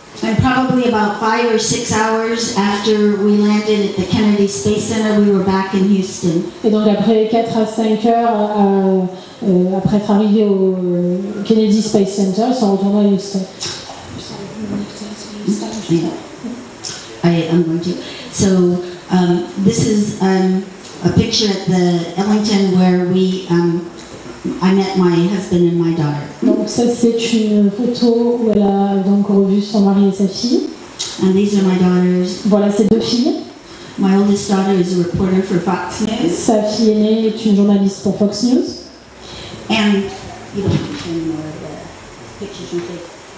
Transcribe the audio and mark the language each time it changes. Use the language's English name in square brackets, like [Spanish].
[English] And probably about 5 or 6 hours after we landed at the Kennedy Space Center, we were back in Houston. [French] Et donc après 4 à 5 heures après être arrivé au Kennedy Space Center, ils sont retournés à Houston. [English] Yeah. I'm going to. So this is a picture at the Ellington where we I met my husband and my daughter. [French] Donc ça c'est une photo où elle a donc revu son mari et sa fille. [English] And these are my daughters. [French] Voilà ses deux filles. [English] My oldest daughter is a reporter for Fox News. [French] Sa fille aînée est une journaliste pour Fox News. [English] And you can take any more of the pictures you take.